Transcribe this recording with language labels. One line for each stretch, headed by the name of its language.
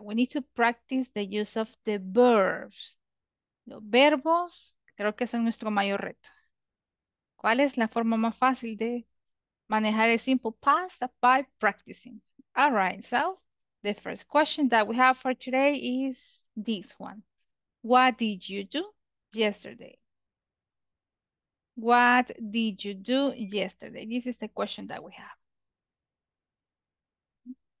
English: We need to practice the use of the verbs.
Spanish: Los verbos creo que son nuestro mayor reto. ¿Cuál es la forma más fácil de manejar el simple past?
English: By practicing. All right, so the first question that we have for today is this one. What did you do yesterday? What did you do yesterday? This is the question that we have.